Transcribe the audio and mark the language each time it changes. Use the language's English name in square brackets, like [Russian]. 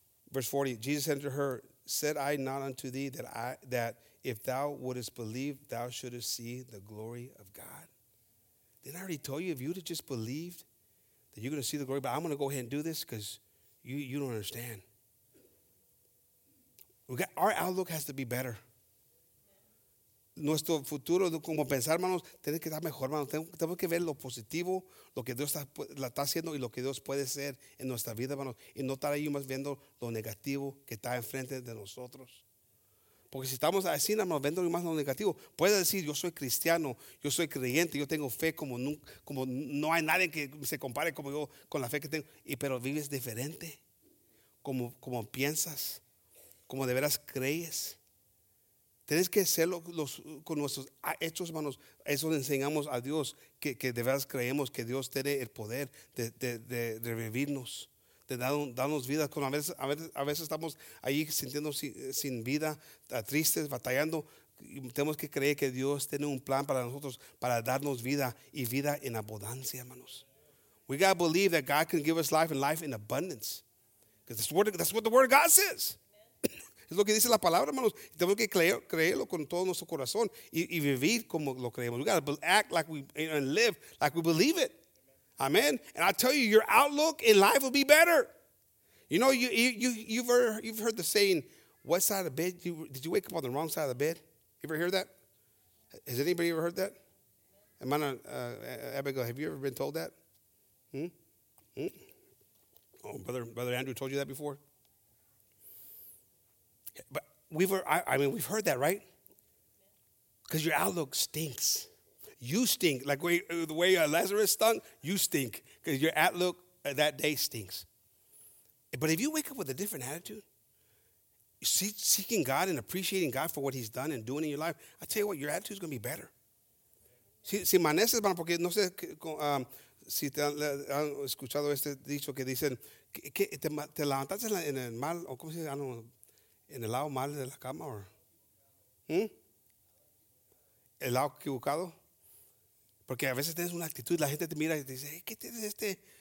[English] Verse 40, Jesus said to her, said I not unto thee that if thou wouldest believe, thou shouldest see the glory of God? Didn't I already tell you, if you'd have just believed, that you're going to see the glory, but I'm going to go ahead and do this because you don't understand. Our outlook has to be better. [Spanish] Nuestro futuro, como pensar, hermanos, tiene que estar mejor, hermanos. Tenemos que ver lo positivo, lo que Dios está haciendo y lo que Dios puede ser en nuestra vida, hermanos. Y no estar ahí más viendo lo negativo que está enfrente de nosotros. Porque si estamos así, hermanos, viendo más lo negativo, puede decir, yo soy cristiano, yo soy creyente, yo tengo fe como nunca, como no hay nadie que se compare como yo con la fe que tengo. Y pero vives diferente, como piensas, como de veras crees. Tienes que hacerlo con nuestros hechos, hermanos. Eso le enseñamos a Dios, que de veras creemos que Dios tiene el poder de revivirnos, de darnos vida. Cuando a veces estamos ahí sintiendo sin vida, tristes, batallando. Tenemos que creer que Dios tiene un plan para nosotros, para darnos vida y vida en abundancia, hermanos. [English] We got to believe that God can give us life and life in abundance. Because that's what the word of God says. [Spanish] Es lo que dice la palabra, hermanos. Tenemos que creerlo con todo nuestro corazón y vivir como lo creemos. [English] We got to act like we and live like we believe it. Amen. And I tell you, your outlook in life will be better. You know, you've heard the saying, what side of bed? Did you wake up on the wrong side of the bed? You ever hear that? Has anybody ever heard that? Hermana Abigail, have you ever been told that? Oh, brother Andrew told you that before? But we've heard that, right? Because your outlook stinks. You stink. Like the way Lazarus stunk, you stink. Because your outlook that day stinks. But if you wake up with a different attitude, seeking God and appreciating God for what he's done and doing in your life, I tell you what, your attitude is going to be better. [Spanish] Si amaneces, hermano, porque no sé si te han escuchado este dicho que dicen, que te levantaste en el mal, o como se dice, en el lado mal de la cama, o el lado equivocado, porque a veces tienes una actitud, la gente te mira y te dice, hey, ¿qué tienes este?